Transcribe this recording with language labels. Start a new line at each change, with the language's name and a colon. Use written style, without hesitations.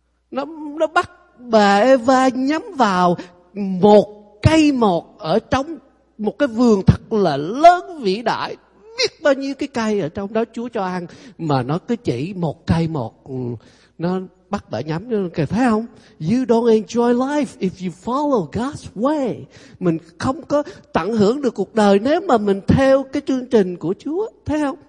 Vietnamese: Nó bắt bà Eva nhắm vào một cây một ở trong một cái vườn thật là lớn vĩ đại, biết bao nhiêu cái cây ở trong đó Chúa cho ăn, mà nó cứ chỉ một cây một, nó bắt bà nhắm, thấy không?
English: You don't enjoy life if you follow God's way.
Vietnamese: Mình không có tận hưởng được cuộc đời nếu mà mình theo cái chương trình của Chúa, thấy không?